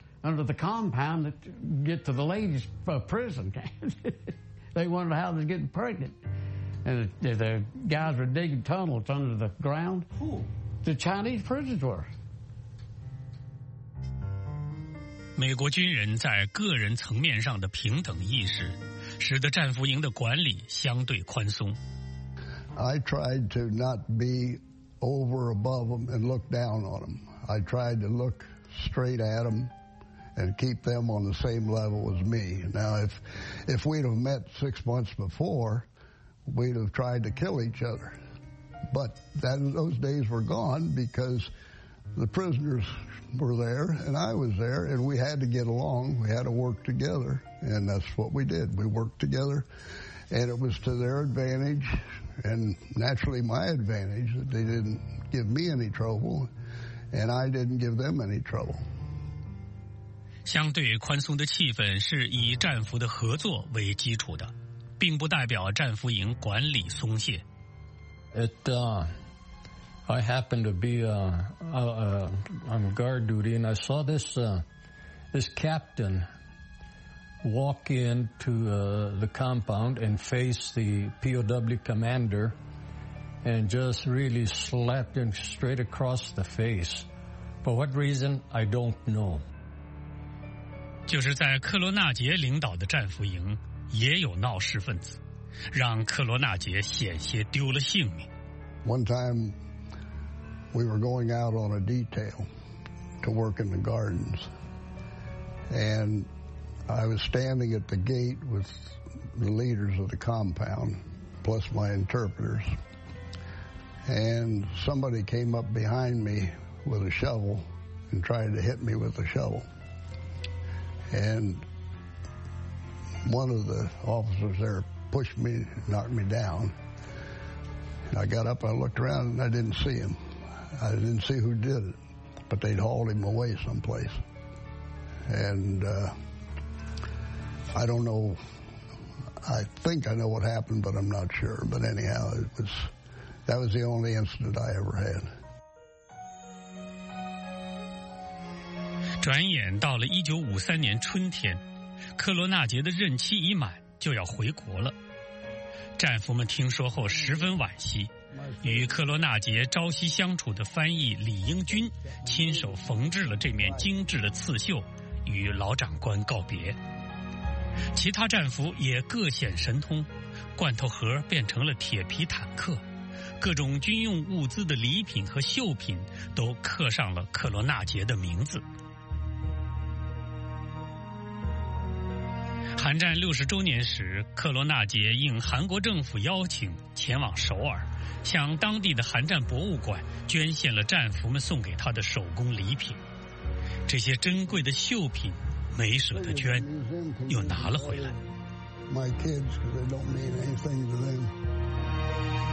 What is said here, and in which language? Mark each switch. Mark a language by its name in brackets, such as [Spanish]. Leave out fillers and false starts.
[English] Under the compound to get to the ladies' prison. They wondered how they're getting pregnant. And the guys were digging tunnels under the ground. Who? The Chinese prisoners were. [Chinese] 美国军人在个人层面上的平等意识使得战俘营的管理相对宽松。 [English] I tried to not be over above them and look down on them. I tried to look straight at them. And keep them on the same level as me. Now, if we'd have met 6 months before, we'd have tried to kill each other. But that, those days were gone because the prisoners were there and I was there and we had to get along. We had to work together. And that's what we did. We worked together And it was to their advantage, and naturally my advantage, that they didn't give me any trouble, and I didn't give them any trouble. [Chinese] 相对宽松的气氛是以战俘的合作为基础的，并不代表战俘营管理松懈。 [English] I happened to be on guard duty, and I saw this captain walk into the compound and face the POW commander and just really slapped him straight across the face. For what reason, I don't know. [Chinese] 就是在克罗纳杰领导的战俘营也有闹事分子，让克罗纳杰险些丢了性命。 [English] One time, we were going out on a detail to work in the gardens, and I was standing at the gate with the leaders of the compound, plus my interpreters, and somebody came up behind me with a shovel and tried to hit me with a shovel. And one of the officers there pushed me, knocked me down. And I got up, I looked around, and I didn't see him. I didn't see who did it, but they'd hauled him away someplace. And I don't know, I think I know what happened, but I'm not sure. But anyhow, that was the only incident I ever had. [Chinese] 转眼到了1953年春天，克罗纳杰的任期已满，就要回国了。战俘们听说后十分惋惜，与克罗纳杰朝夕相处的翻译李英军亲手缝制了这面精致的刺绣，与老长官告别。其他战俘也各显神通，罐头盒变成了铁皮坦克，各种军用物资的礼品和绣品都刻上了克罗纳杰的名字。韩战60周年时，克罗纳杰应韩国政府邀请前往首尔，向当地的韩战博物馆捐献了战俘们送给他的手工礼品。这些珍贵的绣品没舍得捐，又拿了回来。 [English] My kids, because they don't mean anything to them.